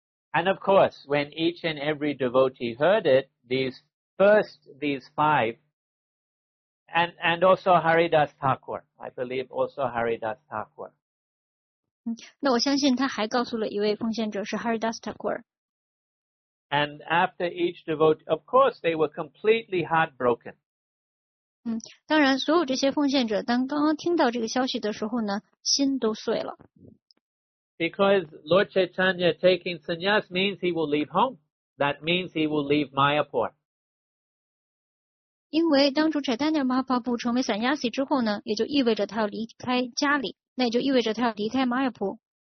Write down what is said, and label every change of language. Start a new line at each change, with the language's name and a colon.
English: And of course, when each and every devotee heard it, these five, and also Haridas Thakur, I believe also Haridas Thakur.
Chinese: 那我相信他还告诉了一位奉献者是 Haridas Thakur。
English: And after each devotee, of course, they were completely heartbroken.
Chinese: 当然所有这些奉献者当刚刚听到这个消息的时候呢心都碎了。
English: Because Lord Chaitanya taking sannyas means he will leave home. That means he will leave Mayapur.
Chinese: 因为当主 Chaitanya Mahaprabhu 成为 sannyasi 之后呢也就意味着他要离开家里那也就意味着他要离开 Mayapur。